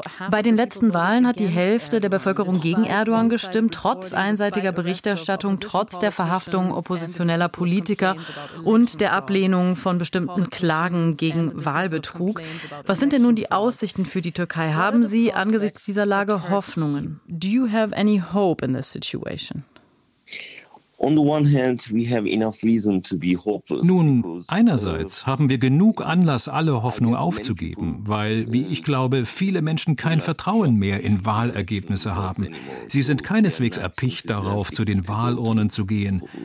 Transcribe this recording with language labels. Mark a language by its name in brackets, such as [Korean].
[German] Bei den letzten Wahlen hat die Hälfte der Bevölkerung gegen Erdogan gestimmt, trotz einseitiger Berichterstattung, trotz der Verhaftung oppositioneller Politiker und der Ablehnung von bestimmten Klagen gegen Wahlbetrug. Was sind denn nun die Aussichten für die Türkei? Haben Sie angesichts dieser Lage Hoffnungen? [English] Do you have any hope in this situation? [German] Nun, einerseits haben wir genug Anlass, alle Hoffnung aufzugeben, weil, wie ich glaube, viele Menschen kein Vertrauen mehr in Wahlergebnisse haben. Sie sind keineswegs erpicht darauf, zu den Wahlurnen zu gehen.